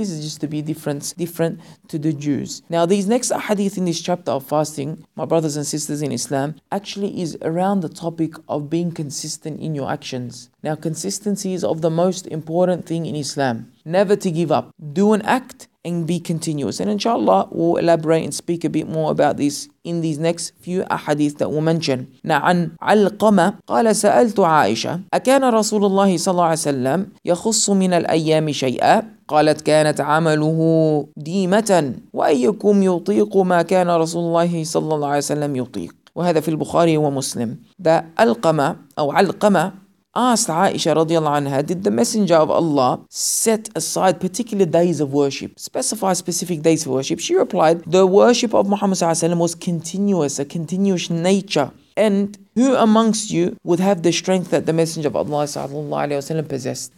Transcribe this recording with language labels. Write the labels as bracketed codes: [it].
[en] This is just to be different to the Jews. Now, these next hadith in this chapter of fasting, my brothers and sisters in Islam, actually is around the topic of being consistent in your actions. Now, consistency is of the most important thing in Islam. Never to give up. Do an act and be continuous. And inshallah, we'll elaborate and speak a bit more about this in these next few ahadith that we'll mention. [ar] Now, عن علقمة قال سألت عائشة أكان رسول الله صلى الله عليه وسلم يخص من الأيام شيئا؟ قالت كانت عمله ديمة وأيكم يطيق ما كان رسول الله صلى الله عليه وسلم يطيق. وهذا في البخاري ومسلم. [en] ذا ألقمة أو علقمة asked Aisha radiallahu anha, did the messenger of Allah set aside particular days of worship, specify specific days of worship? She replied, the worship of Muhammad sallallahu alaihi wasallam was continuous, a continuous nature. And who amongst you would have the strength that the messenger of Allah sallallahu alaihi wasallam possessed?